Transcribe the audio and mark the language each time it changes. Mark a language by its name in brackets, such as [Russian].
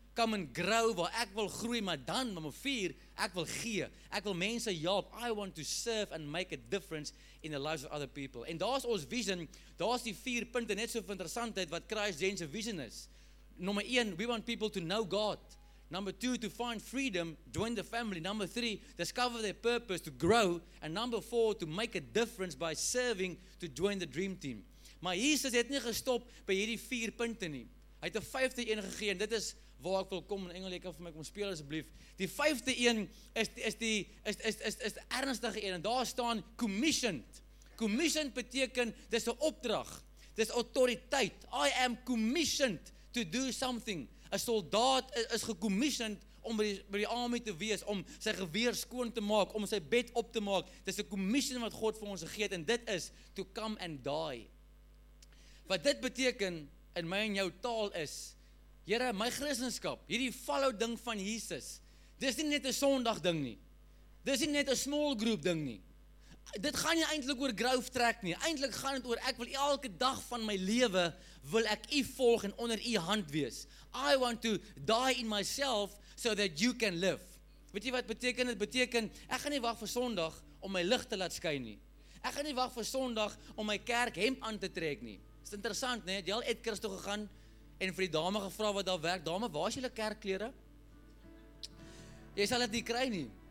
[English] come and grow [Afrikaans] waar ek wil groei, maar dan nommer 4, ek wil gee. Ek wil mense help. [English] I want to serve and make a difference in the lives of other people. [Afrikaans] En daar's ons vision, daar's die 4 punte net so interessantheid wat Christ-Jane se vision is. Nommer 1, [English] we want people to know God. Number 2, to find freedom, join the family. Number 3, discover their purpose, to grow. And number 4, to make a difference by serving, to join the dream team. [Afrikaans] Maar Jesus het nie gestop by hierdie 4 punte nie. Hy het 'n 5de een gegee, en dit is waar ek wil kom. In Engels, jy kan vir my kom speel asseblief. Die 5de een is die ernstige een, en daar staan commissioned. Commissioned beteken, dis 'n opdrag, dis autoriteit. [English] I am commissioned to do something. [Afrikaans] 'N soldaat is gecommissioned om by die army te wees, om sy geweer skoon te maak, om sy bed op te maak. Dis 'n commission wat God vir ons gegee het, en dit is [English] to come and die. [Afrikaans] Wat dit beteken in my en jou taal is, Here, my Christendom, hierdie follow ding van Jesus, dis nie net 'n Sondag ding nie. Dis nie net 'n small group ding nie. Dit gaan nie eintlik oor growth track nie. Eintlik gaan dit oor ek wil elke dag van my lewe wil ek U volg en onder U hand wees. [English] I want to die in myself so that you can live. [Afrikaans] Weet jy wat beteken? Dit beteken ek gaan nie wag vir Sondag om my lig te laat skyn nie. Ek gaan nie wag vir Sondag om my kerk hemp aan te trek nie. Dit is interessant, nee, jy al het kerk toe gegaan en vir die dame gevra wat daar werk. Dame, waar is julle kerkklere? Jy sal dit nie kry nie.